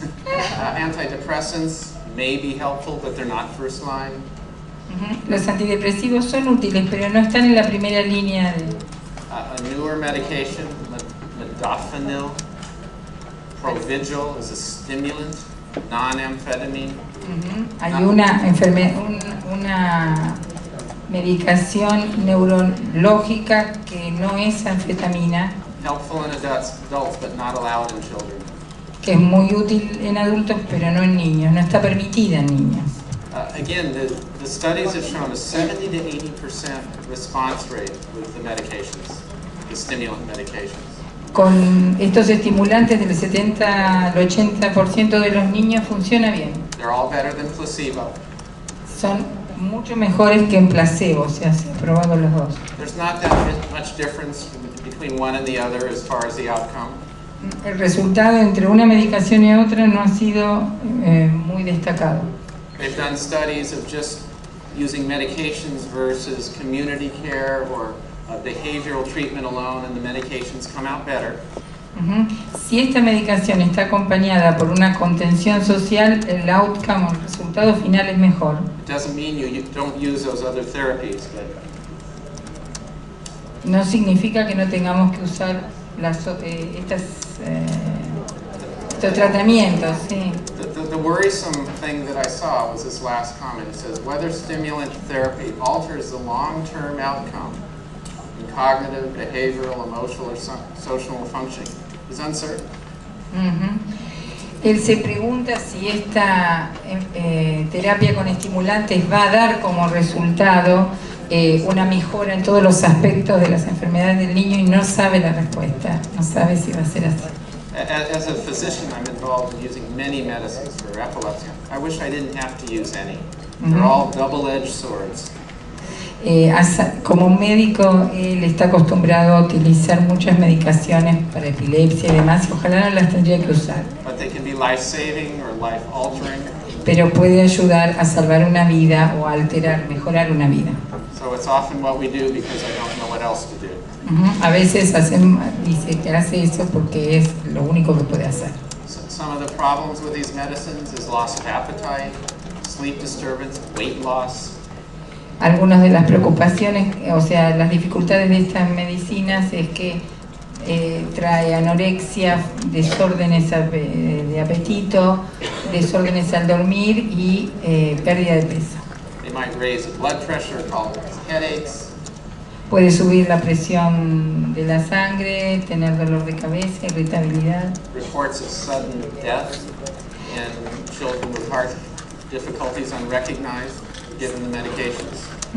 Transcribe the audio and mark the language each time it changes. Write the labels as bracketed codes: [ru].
[en] Antidepressants may be helpful, but they're not first line. [es] Los antidepresivos son útiles, pero no están en la primera línea. [en] A newer medication, modafinil, Provigil is a stimulant, non-amphetamine. [es] Hay una medicación neurológica que no es anfetamina. [en] Helpful in adults, but not allowed in children. [es] Que es muy útil en adultos, pero no en niños. No está permitida en niños. [en] Again, the studies have shown a 70-80% response rate with the medications, the stimulant medications. [es] Con estos estimulantes del 70 al 80% de los niños funciona bien. [en] They're all better than placebo. [es] Son mucho mejores que en placebo, o sea, se ha probado los dos. [en] There's not that much difference between one and the other as far as the outcome. [es] El resultado entre una medicación y otra no ha sido muy destacado. [en] They've done studies of just using medications versus community care or behavioral treatment alone, and the medications come out better. [es] Si esta medicación está acompañada por una contención social, el outcome, el resultado final es mejor. [en] It doesn't mean you don't use those other therapies, but [es] no significa que no tengamos que usar las estos tratamientos, sí. [en] The worrisome thing that I saw was this last comment. It says whether stimulant therapy alters the long-term outcome in cognitive, behavioral, emotional, or social functioning is uncertain. [es] Él se pregunta si esta terapia con estimulantes va a dar como resultado una mejora en todos los aspectos de las enfermedades del niño y no sabe la respuesta, no sabe si va a ser así. [en] As a physician, I'm involved in using many medicines for epilepsy. I wish I didn't have to use any. They're all double-edged swords. [es] Como médico, él está acostumbrado a utilizar muchas medicaciones para epilepsia y demás. Ojalá no las tendría que usar. [en] But they can be life-saving or life-altering. [es] Pero puede ayudar a salvar una vida o a alterar, mejorar una vida. [en] So it's often what we do because I don't know what else to do. [es] A veces dice que hace eso porque es lo único que puede hacer. [en] Some of the problems with these medicines is loss of appetite, sleep disturbance, weight loss. [es] Algunas de las preocupaciones, o sea, las dificultades de estas medicinas es que trae anorexia, desórdenes de apetito, desórdenes al dormir y pérdida de peso. [en] They might raise blood pressure, tolerance, headaches. [es] Puede subir la presión de la sangre, tener dolor de cabeza, irritabilidad. [en] Reports of sudden death in children with heart difficulties unrecognized given the medications.